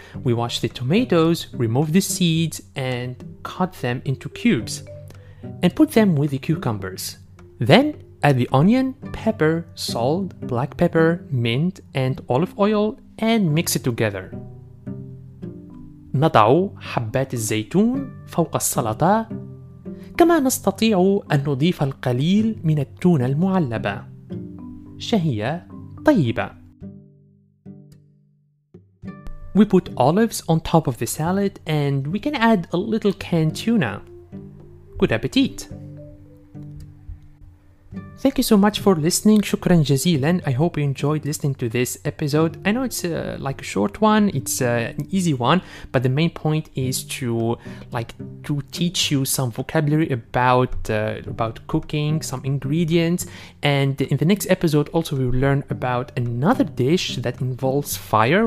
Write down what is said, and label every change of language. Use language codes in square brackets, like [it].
[en] We wash the tomatoes, remove the seeds, and cut them into cubes, and put them with the cucumbers. Then add the onion, pepper, salt, black pepper, mint, and olive oil, and mix it together. [ar] نضع حبات الزيتون فوق السلطة، كما نستطيع أن نضيف القليل من التونة المعلبة. شهية طيبة. [en] We put olives on top of the salad and we can add a little canned tuna. Good appetit. Thank you so much for listening. [ar] شكرا جزيلا. [en] I hope you enjoyed listening to this episode. I know it's like a short one, it's an easy one, but the main point is to teach you some vocabulary about cooking, some ingredients, and in the next episode also we will learn about another dish that involves fire.